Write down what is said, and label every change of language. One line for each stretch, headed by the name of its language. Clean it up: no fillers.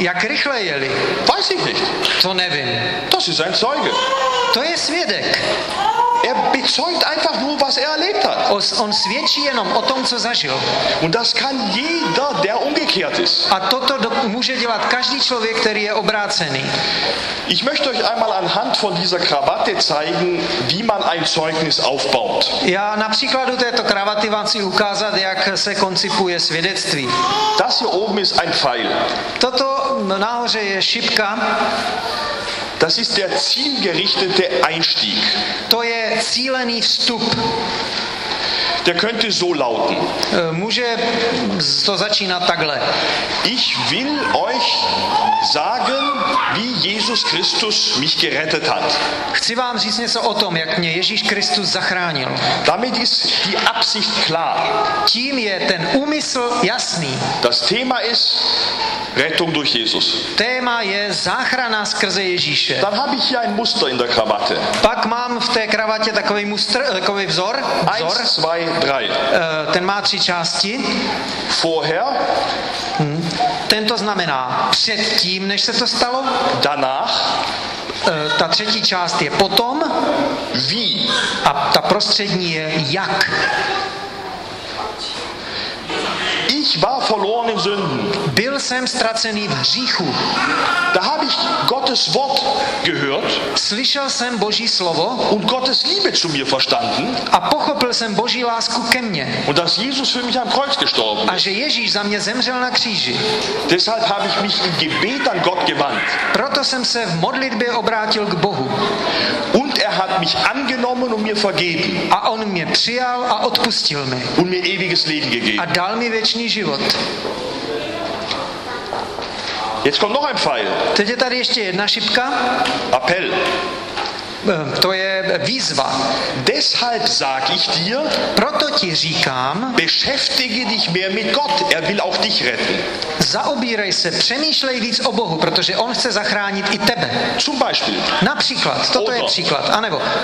Czech: Jak rychle jeli?
German: Weiß ich nicht.
Czech: To nevím.
German: Das ist ein Zeuge.
Czech: To je svědek.
German: Er bezeugt einfach nur, was er erlebt hat.
Czech: On svědčí jenom o tom, co zažil.
German: Und das kann jeder, der umgekehrt ist.
Czech: A toto může dělat každý člověk, který je obrácený.
German: Ich möchte euch einmal anhand von dieser Krawatte zeigen, wie man ein Zeugnis aufbaut.
Czech: Já na příkladu této kravaty vám chci ukázat, jak se koncipuje svědectví.
German: Das hier oben ist ein Pfeil.
Czech: Toto nahoře je šipka.
German: Das ist der zielgerichtete Einstieg.
Czech: To je cílený vstup.
German: Der könnte so lauten.
Czech: Může to začínat takhle.
German: Ich will euch sagen, wie Jesus Christus mich gerettet hat.
Czech: Chci vám říct něco o tom, jak mě Ježíš Kristus zachránil.
German: Damit ist die Absicht klar.
Czech: Tím je ten úmysl jasný.
German: Das Thema ist Rettung durch Jesus.
Czech: Téma je záchrana skrze Ježíše.
German: Dann habe ich hier ein Muster in der Krawatte.
Czech: Pak mám v té kravatě takový muster, takový vzor. Vzor.
German: Eins, zwei, drei.
Czech: Ten má tři části.
German: Vorher.
Czech: Ten to znamená předtím, než se to stalo.
German: Danach.
Czech: Ta třetí část je potom.
German: Wie.
Czech: A ta prostřední je jak.
German: Ich war verloren in Sünden.
Czech: Byl jsem ztracený v hříchu.
German: Da habe ich Gottes Wort gehört.
Czech: Slyšel jsem Boží slovo.
German: Und Gottes Liebe zu mir verstanden.
Czech: A pochopil jsem Boží lásku ke mně.
German: Und dass Jesus für mich am Kreuz gestorben ist.
Czech: A že Ježíš za mě zemřel na kříži.
German: Deshalb habe ich mich im Gebet an Gott gewandt.
Czech: Proto jsem se v modlitbě obrátil k Bohu.
German: Und er hat mich angenommen und mir vergeben.
Czech: A on mě přijal a odpustil mi.
German: Und mir ewiges Leben gegeben.
Czech: A dal mi věčný život.
German: Jetzt kommt noch ein Pfeil.
Czech: Teď je tady ještě jedna šipka.
German: Appell.
Czech: To je výzva.
German: Deshalb sag ich dir,
Czech: proto ti říkám,
German: beschäftige dich mehr mit Gott, er will auch dich retten.
Czech: Zaobírej se, přemýšlej víc o Bohu, protože on chce zachránit i tebe.
German: Zum Beispiel.
Czech: Například, toto
German: oder,
Czech: je příklad, anebo.